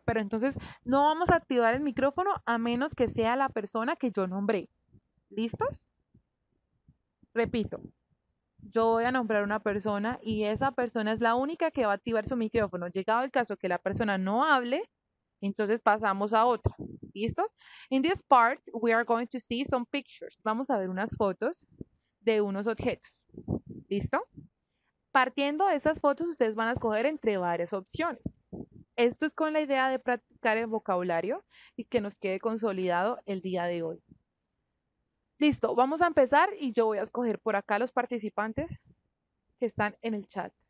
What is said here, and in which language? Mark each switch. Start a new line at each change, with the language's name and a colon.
Spanish: Pero entonces no vamos a activar el micrófono a menos que sea la persona que yo nombré. ¿Listos? Repito, yo voy a nombrar una persona y esa persona es la única que va a activar su micrófono. Llegado el caso que la persona no hable, entonces pasamos a otra. ¿Listos?
English: In this part, we are going to see some pictures.
Spanish: Vamos a ver unas fotos de unos objetos. ¿Listo? Partiendo de esas fotos, ustedes van a escoger entre varias opciones. Esto es con la idea de practicar el vocabulario y que nos quede consolidado el día de hoy. Listo, vamos a empezar y yo voy a escoger por acá los participantes que están en el chat.